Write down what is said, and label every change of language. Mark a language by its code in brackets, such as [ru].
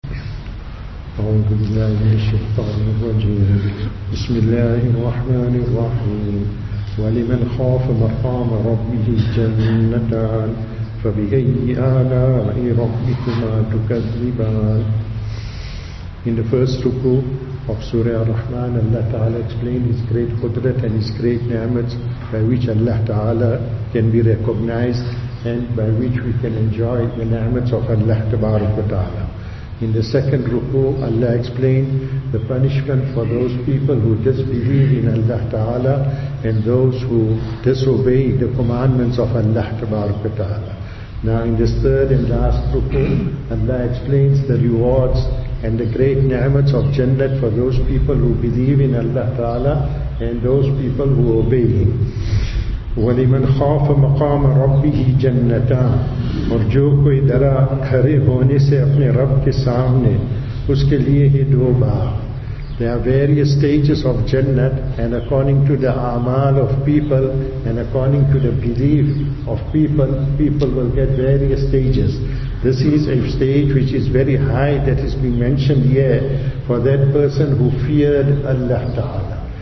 [ar] أعوذ بالله من الشيطان الرجيم. بسم الله الرحمن الرحيم. ولمن خاف مقام ربه جنتان فبأي آلاء ربكما تكذبان. [en] In the first ruku of Surah Ar-Rahman, Allah Ta'ala explained His great Qudrat and His great ni'mat by which Allah Ta'ala can be recognized and by which we can enjoy the ni'mat of Allah Tabaraka Ta'ala. In the second ruku, Allah explained the punishment for those people who disbelieve in Allah Ta'ala and those who disobey the commandments of Allah Tabaraka Ta'ala. Now in this third and last ruku, Allah explains the rewards and the great ni'mat of Jannat for those people who believe in Allah Ta'ala and those people who obey Him. [ar] وَلِمَنْ خَافَ مَقَامَ رَبِّهِ جَنَّتَانْ. [ur] اور جو کوئی ڈرا کھڑے ہونے سے اپنے رب کے سامنے اس کے لیے ہی دو باغ. [en] There are various stages of Jannat and according to the amal of people and according to the belief of people, people will get various stages. This is a stage which is very high that has been mentioned here for that person who feared Allah Ta'ala.